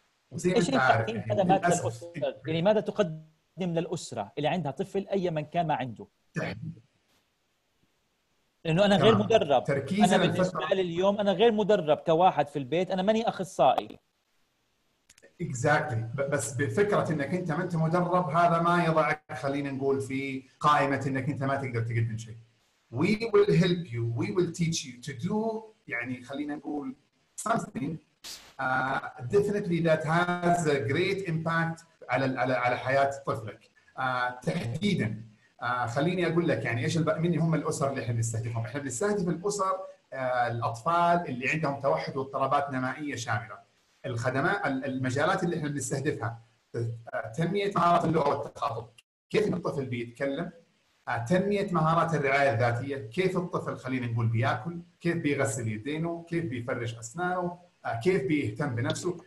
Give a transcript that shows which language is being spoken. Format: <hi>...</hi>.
<ar>وزي ما انت عارف يعني ماذا تقدم للأسرة اللي عندها طفل أي من كان ما عنده لأنه أنا غير مدرب. أنا بالنسبة لليوم أنا غير مدرب كواحد في البيت، أنا ماني أخصائي.</ar> <en>Exactly.</en> <ar>بس بفكرة أنك أنت ما أنت مدرب هذا ما يضعك خلينا نقول في قائمة أنك أنت ما تقدر تقدم شيء.</ar> <en>We will help you. We will teach you to do</en> <ar>يعني خلينا نقول</ar> <en>something definitely that has a great impact</en> <ar>على على على حياة طفلك تحديدا. خليني أقول لك يعني إيش مني هم الأسر اللي إحنا بنستهدفهم. إحنا بنستهدف الأسر الأطفال اللي عندهم توحد واضطرابات نمائية شاملة. الخدمات المجالات اللي إحنا بنستهدفها تنمية مهارات اللغة والتخاطب، كيف الطفل بيتكلم، تنمية مهارات الرعاية الذاتية، كيف الطفل خلينا نقول بيأكل، كيف بيغسل يدينه، كيف بيفرش أسنانه، كيف بيهتم بنفسه.</ar>